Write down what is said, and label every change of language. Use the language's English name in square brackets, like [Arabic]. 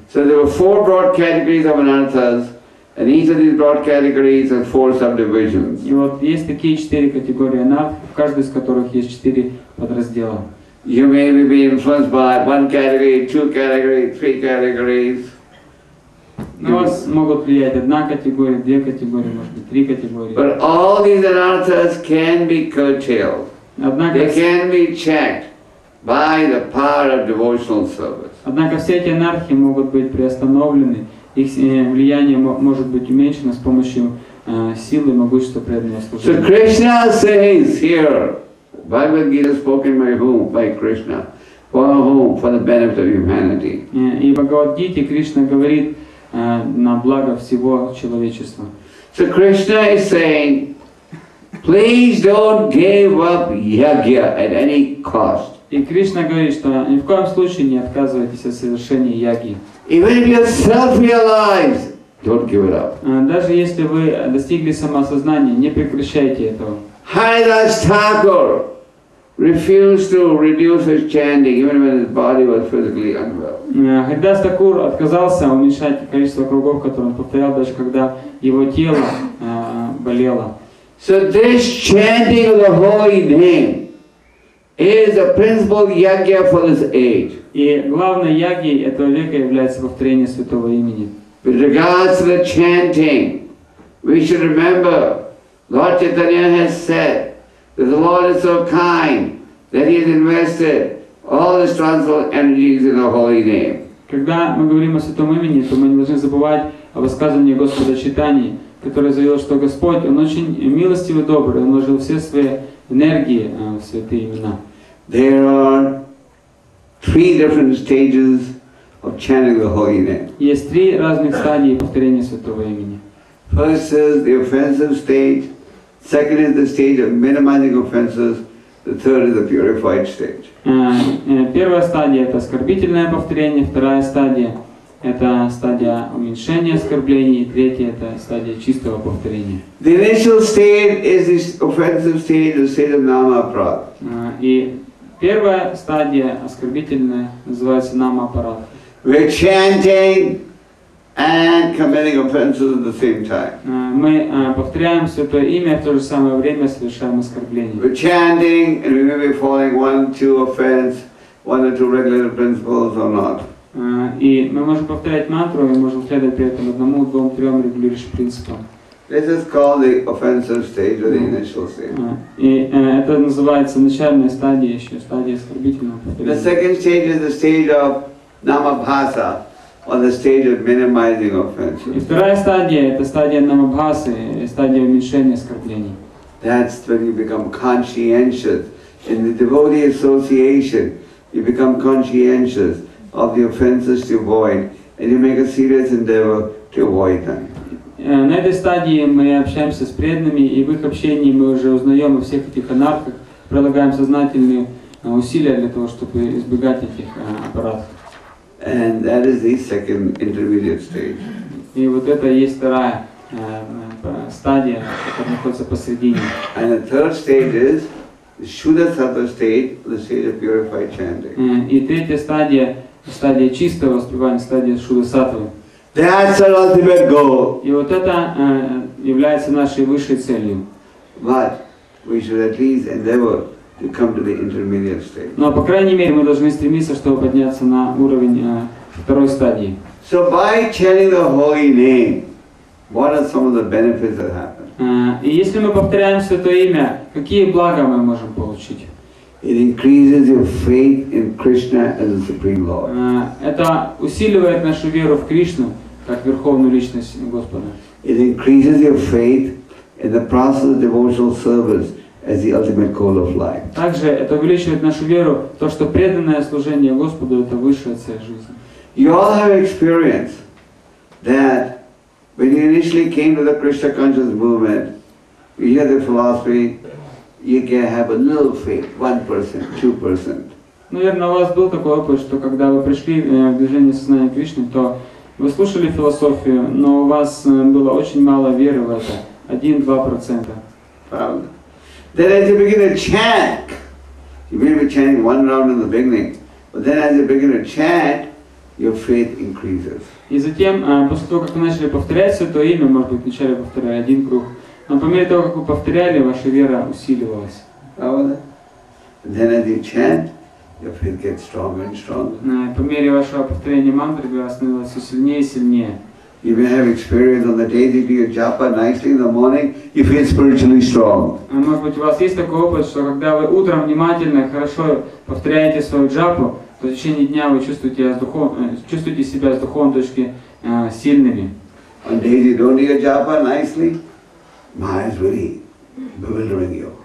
[English] So there were four broad categories of anarthas, and each of these broad categories has four subdivisions. [Russian] И вот есть такие четыре категории анарх, в каждой из которых есть четыре подраздела. [English] You may be influenced by one category, two categories, three categories. [Russian] На вас могут влиять одна категория, две категории, может быть, три категории. [English] But all these anarthas can be curtailed. They can be checked by the power of devotional service. [Russian] Однако все эти анархи могут быть приостановлены, их влияние может быть уменьшено с помощью силы и могущества преданного служения. [English] So Krishna says here, Bhagavad Gita spoken by whom? By Krishna. For whom? For the benefit of humanity. [Russian] И Бхагавад Гите Кришна говорит на благо всего человечества. [English] So Krishna is saying, please don't give up yagya at any cost. [Russian] И Кришна говорит, что ни в коем случае не отказывайтесь от совершения яги. [English] Even if you're self-realized, don't give it up. [Russian] Даже если вы достигли самосознания, не прекращайте этого. [English] Haridas Thakur refused to reduce his chanting even when his body was physically unwell. [Russian] Haridas Thakur отказался уменьшать количество кругов, которые он повторял, даже когда его тело болело. [English] So this chanting of the holy name is the principal yagya for this age. [Russian] И главной ягьей этого века является повторение святого имени. [English] With regards to the chanting, we should remember Lord Chaitanya has said that the Lord is so kind that he has invested all his transcendental energies in the holy name. [Russian] Когда мы говорим о святом имени, то мы не должны забывать о высказывании Господа Чайтаньи, который заявил, что Господь, Он очень милостивый и добрый, Он вложил все свои энергии в святые имена. [English] There are three different stages of chanting the holy name. [Russian] Есть три разных стадии повторения святого имени. [English] First is the offensive stage. Second is the stage of minimizing offenses. The third is the purified stage. [Russian] Первая стадия это оскорбительное повторение. Вторая стадия это стадия уменьшения оскорблений. Третья это стадия чистого повторения. [English] The initial stage is the offensive stage, the stage of nama aparad. [Russian] И первая стадия оскорбительная называется нама аппарат. [English] We're chanting and committing offenses at the same time. [Russian] Мы повторяем святое имя в то же самое время совершаем оскорбление. [English] We're chanting and we may be following one, two offense, one or two regulative principles or not. [Russian] И мы можем повторять мантру, мы можем следовать при этом одному, двум, трем регулирующим принципам. [English] This is called the offensive stage or the initial stage. [Russian] И это называется начальная стадия, еще стадия оскорбительного повторения. [English] The second stage is the stage of namabhasa or the stage of minimizing offenses. [Russian] И вторая стадия это стадия намабхасы, стадия уменьшения оскорблений. [English] That's when you become conscientious in the devotee association. You become conscientious of the offenses to avoid, and you make a serious endeavor to avoid them. [Russian] На этой стадии мы общаемся с преданными, и в их общении мы уже узнаем о всех этих анархах, прилагаем сознательные усилия для того, чтобы избегать этих аппаратов. [English] And that is the second intermediate stage. [Russian] И вот это и есть вторая стадия, которая находится посередине. [English] And the third stage is the Shuddha Sattva stage, the stage of purified chanting. [Russian] И третья стадия — стадия чистого воспевания, стадия Shuddha Sattva. [English] That's our ultimate goal. [Russian] И вот это является нашей высшей целью. [English] But we should at least endeavor to come to the intermediate stage. [Russian] Но по крайней мере мы должны стремиться, чтобы подняться на уровень второй стадии. [English] So by chanting the holy name, what are some of the benefits that happen? [Russian] И если мы повторяем святое имя, какие блага мы можем получить? [English] It increases your faith in Krishna as the Supreme Lord. [Russian] Это усиливает нашу веру в Кришну как верховную личность Господа. [English] It increases your faith in the process of devotional service as the ultimate goal of life. [Russian] Также это увеличивает нашу веру в то, что преданное служение Господу это высшая цель жизни. [English] You all have experience that when you initially came to the Krishna conscious movement, you hear the philosophy. You can have a little faith, 1%, 2%. [Russian] Наверное, у вас был такой опыт, что когда вы пришли в движение сознания Кришны, то вы слушали философию, но у вас было очень мало веры в это, 1-2%. Правда. [English] Then as you begin to chant, you may be chanting one round in the beginning, but then as you begin to chant, your faith increases. [Russian] И затем, после того, как вы начали повторять святое имя, может быть, вначале повторяли один круг, но по мере того, как вы повторяли, ваша вера усиливалась. По мере вашего повторения мантры, вера становилась все сильнее и сильнее. [English] You may have experience on the day that you japa nicely in the morning, you feel spiritually strong. [Russian] Может быть, у вас есть такой опыт, что когда вы утром внимательно, хорошо повторяете свою джапу, то в течение дня вы чувствуете себя с духовной точки сильными. [English] On days you don't do your japa nicely, mind's really bewildering you.